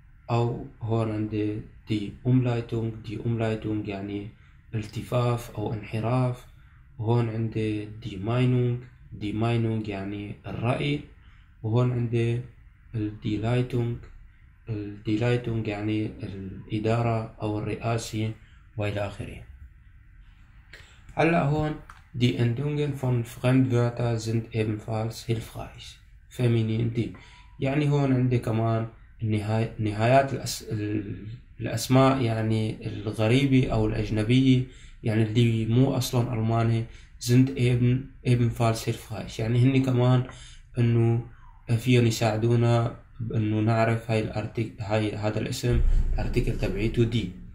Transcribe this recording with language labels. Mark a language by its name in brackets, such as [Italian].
[Arabic] أو هون عندي دي أومليتونج. دي أومليتونج يعني التفاف أو انحراف. وهون عندي دي ماينونج. دي ماينونج يعني الرأي. وهون عندي الدي لايتونج. الدي لايتونج يعني الإدارة أو الرئاسة وإلى آخره. [German] Alle hohen, die Endungen von Fremdwörtern sind ebenfalls hilfreich. Feminin, die. [Arabic] يعني هون عندي كمان نهايات الأسماء يعني الغريبي أو الأجنبي يعني اللي مو أصلا ألماني [German] sind ebenfalls hilfreich. [Arabic] يعني هني كمان إنه فيهم يساعدونا بإنه نعرف هاي الأرتيك هاي هذا الاسم الأرتيكل تبعيته دي.